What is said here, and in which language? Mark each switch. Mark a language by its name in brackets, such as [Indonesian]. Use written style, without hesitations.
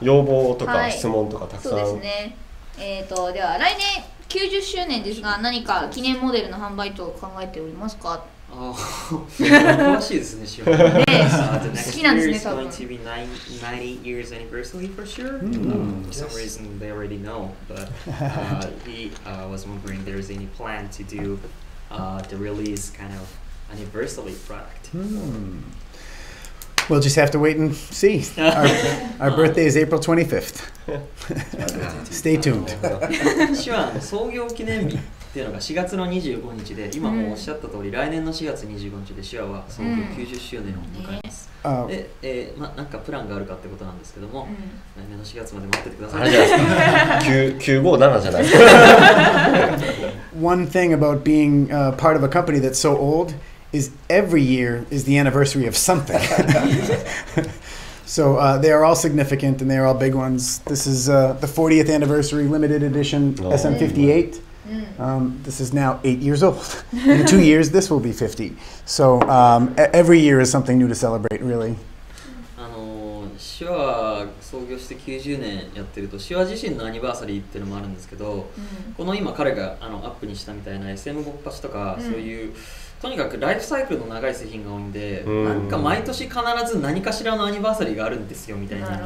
[Japanese] 要望とか質問とかたくさん、はい、そうですね。では来年90周年ですが、何か記念モデルの販売等を考えておりますか？ああ、詳しいですね、シュア。好きなんですね、多分。 [English] The next year is going to be 90 years anniversary for sure. For some reason, they already know. But he was wondering if there is any plan to do the release kind of anniversary product. We'll just have to wait and see. Our birthday is April 25th. Stay tuned. [Japanese] シュアの創業記念日っていうのが4月の25日で、今もおっしゃった通り、来年の4月25日でシュアは創業90周年を迎えます。で、なんかプランがあるかってことなんですけども、来年の4月まで待っててください。 957じゃない。 [English] One thing about being part of a company that's so old,is every year is the anniversary of something. So they are all significant and they are all big ones. This is the 40th anniversary limited edition SM58. This is now 8 years old. In 2 years, this will be 50. So every year is something new to celebrate, really. [Japanese] シュア創業して90年やってると、シュア自身のアニバーサリーっていうのもあるんですけど、この今彼がアップにしたみたいな SM 勃発とか、そういうとにかくライフサイクルの長い製品が多いんで、なんか毎年必ず何かしらのアニバーサリーがあるんですよみたいな。